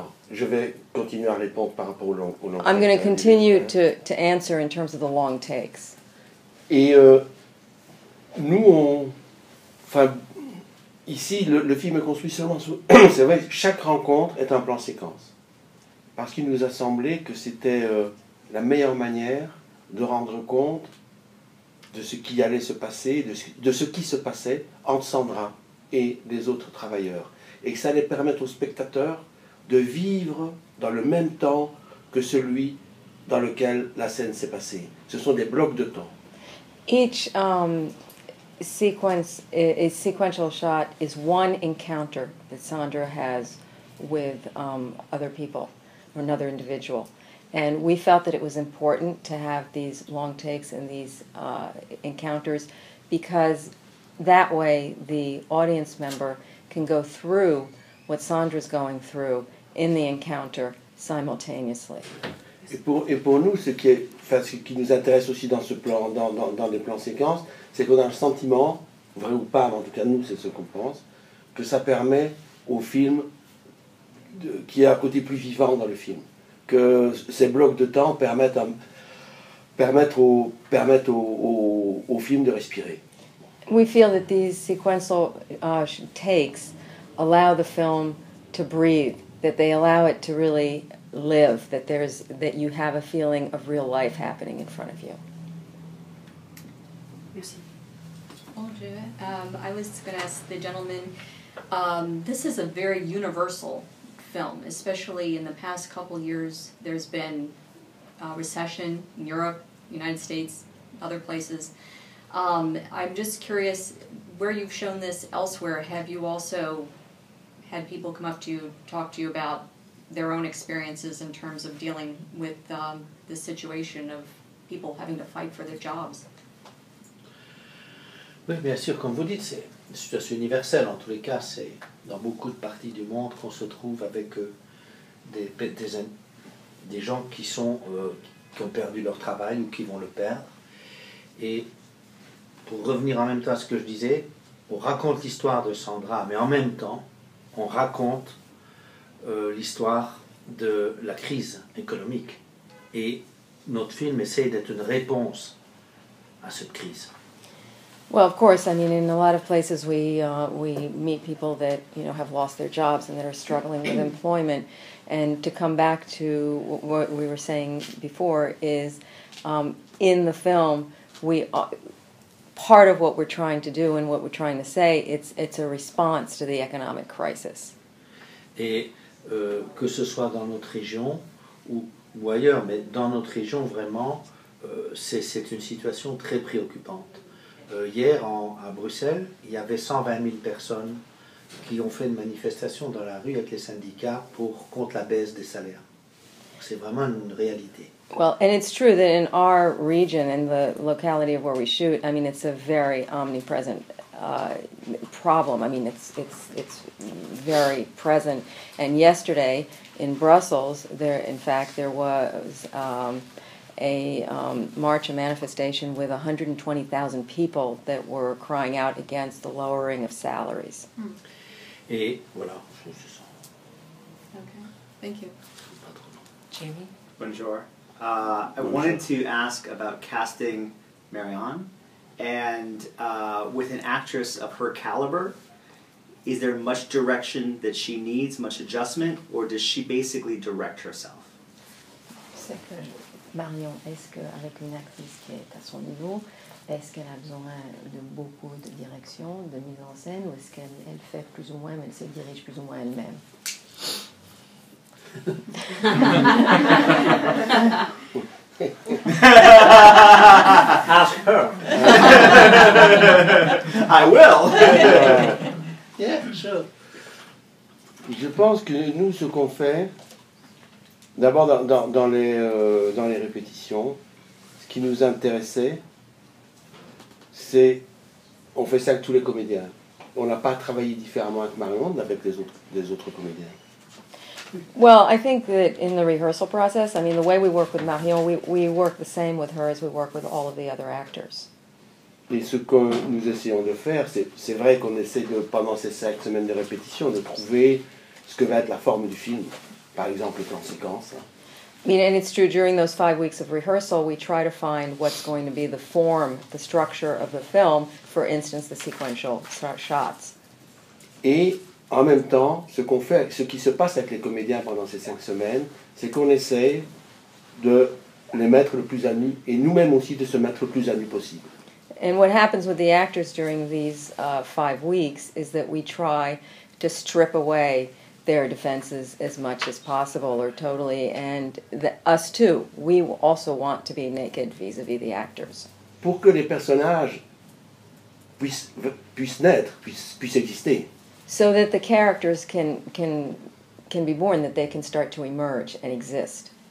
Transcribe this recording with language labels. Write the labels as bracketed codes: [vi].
[fr] Je vais continuer à répondre par rapport au long. [en] I'm going to continue to answer in terms of the long takes. [fr] Et nous on, enfin ici le film est construit seulement sur. C'est vrai, chaque rencontre est un plan séquence. Parce qu'il nous a semblé que c'était la meilleure manière de rendre compte de ce qui allait se passer, de ce qui se passait entre Sandra et les autres travailleurs. Et que ça allait permettre aux spectateurs de vivre dans le même temps que celui dans lequel la scène s'est passée. Ce sont des blocs de temps. [en] Each sequence, a sequential shot, is one encounter that Sandra has with other people or another individual. And we felt that it was important to have these long takes and these encounters because that way the audience member can go through what Sandra's going through in the encounter simultaneously. [fr] Et pour nous, ce qui, est, enfin, ce qui nous intéresse aussi dans ce plan, dans les plans séquences, c'est qu'on a le sentiment, vrai ou pas, en tout cas nous, c'est ce qu'on pense, que ça permet au film, qui a un côté plus vivant dans le film, que ces blocs de temps permettent au film de respirer. [en] We feel that these sequential takes allow the film to breathe, that they allow it to really live, that there's that you have a feeling of real life happening in front of you. [fr] Merci. Bonjour. [en] I was going to ask the gentleman, this is a very universal film, especially in the past couple years. There's been a recession in Europe, United States, other places. I'm just curious, where you've shown this elsewhere, have you also had people come up to you, talk to you about their own experiences in terms of dealing with the situation of people having to fight for their jobs? [fr] Oui, bien sûr, comme vous dites, c'est une situation universelle. En tous les cas, c'est dans beaucoup de parties du monde qu'on se trouve avec des gens qui sont qui ont perdu leur travail ou qui vont le perdre. Et pour revenir en même temps à ce que je disais, on raconte l'histoire de Sandra, mais en même temps, on raconte l'histoire de la crise économique. Et notre film essaie d'être une réponse à cette crise. [en] Well, of course, I mean, in a lot of places we meet people that, you know, have lost their jobs and that are struggling with employment. And to come back to what we were saying before is, in the film, part of what we're trying to do and what we're trying to say, it's a response to the economic crisis. [fr] Et que ce soit dans notre région ou ailleurs, mais dans notre région, vraiment, c'est une situation très préoccupante. Hier, à Bruxelles, il y avait 120 000 personnes qui ont fait une manifestation dans la rue avec les syndicats contre la baisse des salaires. C'est vraiment une réalité. [en] Well, and it's true that in our region, in the locality of where we shoot, I mean, it's a very omnipresent problem. I mean, it's very present. And yesterday in Brussels, there was march, a manifestation with 120,000 people that were crying out against the lowering of salaries. [fr] Mm. Et voilà. [en] Okay. Thank you. Jamie? [fr] Bonjour. [en] I wanted to ask about casting Marion, and with an actress of her caliber, is there much direction that she needs, much adjustment, or does she basically direct herself? [fr] C'est que Marion, est-ce qu'avec une actrice qui est à son niveau, est-ce qu'elle a besoin de beaucoup de direction, de mise en scène, ou est-ce qu'elle elle fait plus ou moins, mais elle se dirige plus ou moins elle-même? [en] Ask her. I will. Yeah, sure. [fr] Je pense que nous, ce qu'on fait, d'abord dans les répétitions, ce qui nous intéressait, c'est, on fait ça avec tous les comédiens. On n'a pas travaillé différemment avec Marion, avec les autres comédiens. [en] Well, I think that in the rehearsal process, I mean, the way we work with Marion, we work the same with her as we work with all of the other actors. [fr] Et ce que nous essayons de faire, c'est vrai qu'on essaie de, pendant ces 5 semaines de répétition, de trouver ce que va être la forme du film, par exemple, les plans séquences. [en] I mean, and it's true, during those 5 weeks of rehearsal, we try to find what's going to be the form, the structure of the film, for instance, the sequential shots. [fr] Et en même temps, ce qu'on fait, ce qui se passe avec les comédiens pendant ces 5 semaines, c'est qu'on essaye de les mettre le plus à nu, et nous-mêmes aussi de se mettre le plus à nu possible. [en] And what happens with the actors during these 5 weeks is that we try to strip away their defenses as much as possible or totally, and us too. We also want to be naked vis-à-vis the actors. [fr] Pour que les personnages puissent naître, puissent exister. [en] So that the characters can be born, that they can start to emerge and exist.